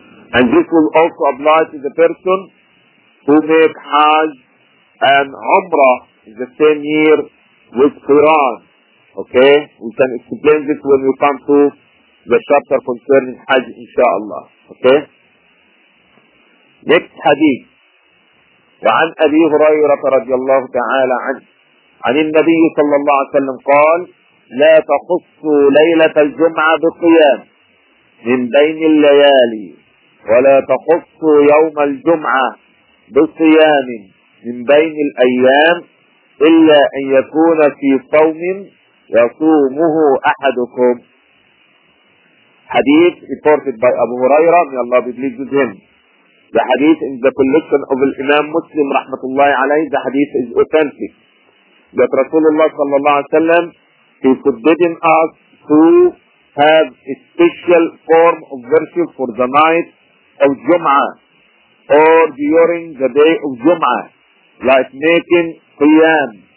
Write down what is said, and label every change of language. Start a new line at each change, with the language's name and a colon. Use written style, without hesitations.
English: And this will also apply to the person who make Hajj and Umrah in the same year with Quran. Okay? We can explain this when we come to the chapter concerning Hajj, inshaAllah. Okay? Next hadith.
Arabic: وعن أبي هريرة رضي الله تعالى عنه عن النبي صلى الله عليه وسلم قال: لا تخصوا ليلة الجمعة بقيام من بين الليالي، ولا تخصوا يوم الجمعة بصيام من بين الأيام إلا أن يكون في صوم يصومه أحدكم.
English: حديث reported by أبو هريرة من الله pleased him. The hadith in the collection of الإمام مسلم رحمة الله عليه. The hadith is authentic. That رسول الله صلى الله عليه وسلم he forbidden us to have a special form of worship for the night of Jum'ah or during the day of Jum'ah, like making qiyam,